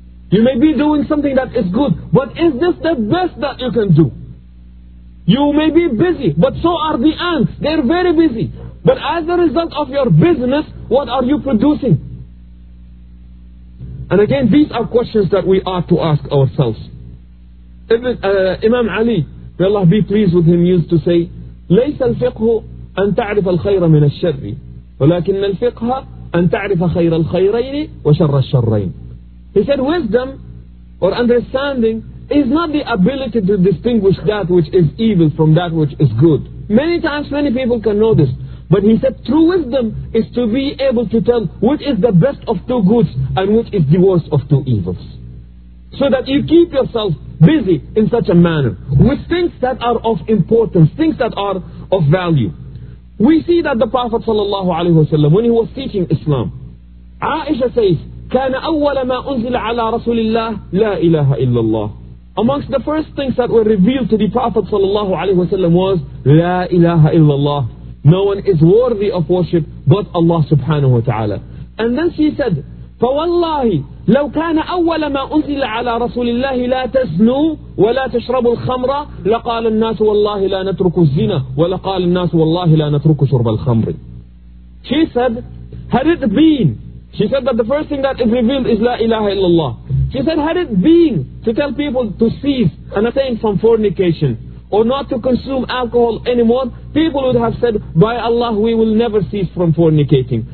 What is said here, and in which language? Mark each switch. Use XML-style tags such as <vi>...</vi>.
<en>You may be doing something that is good, but is this the best that you can do? You may be busy, but so are the ants. They're very busy. But as a result of your business, what are you producing? And again, these are questions that we ought to ask ourselves. Imam Ali, may Allah be pleased with him, used to say,</en> <ar>لَيْسَ الْفِقْهُ أَن تَعْرِفَ الْخَيْرَ مِنَ الشَّرِّ وَلَكِنَّ الْفِقْهَ أَن تَعْرِفَ خَيْرَ الْخَيْرَيْنِ وَشَرَّ الشَّرَّيْنِ.</ar> <en>He said, wisdom or understanding is not the ability to distinguish that which is evil from that which is good. Many times many people can know this, but he said true wisdom is to be able to tell which is the best of two goods and which is the worst of two evils. So that you keep yourself busy in such a manner with things that are of importance, things that are of value. We see that the Prophet sallallahu alaihi wasallam, when he was teaching Islam, Aisha says,</en> <ar>كَانَ أَوَّلَ مَا أُنزِلَ عَلَى رَسُولِ اللَّهِ لَا إِلَهَ إِلَّا اللَّهِ.</ar> <en>Amongst the first things that were revealed to the Prophet sallallahu alaihi wasallam was</en> <ar>لَا إِلَهَ إِلَّا اللَّهِ.</ar> <en>No one is worthy of worship but Allah subhanahu wa ta'ala. And then she said,</en> <ar>فَوَاللَّهِ لَوْ كَانَ أَوَّلَ مَا أُنزِلَ عَلَى رَسُولِ اللَّهِ لَا تَزْنُوا وَلَا تَشْرَبُوا الْخَمْرَ لَقَالَ النَّاسُ وَاللَّهِ لَا نَتْرُكُ الزِّنَا وَلَقَالَ النَّاسُ وَاللَّهِ لَا نَتْرُكُ شُرْبَ الْخَمْرِ.</ar> <en>She said, had it been, she said that the first thing that is revealed is La ilaha illallah. She said, had it been to tell people to cease and attain from fornication or not to consume alcohol anymore, people would have said, by Allah, we will never cease from fornicating.</en>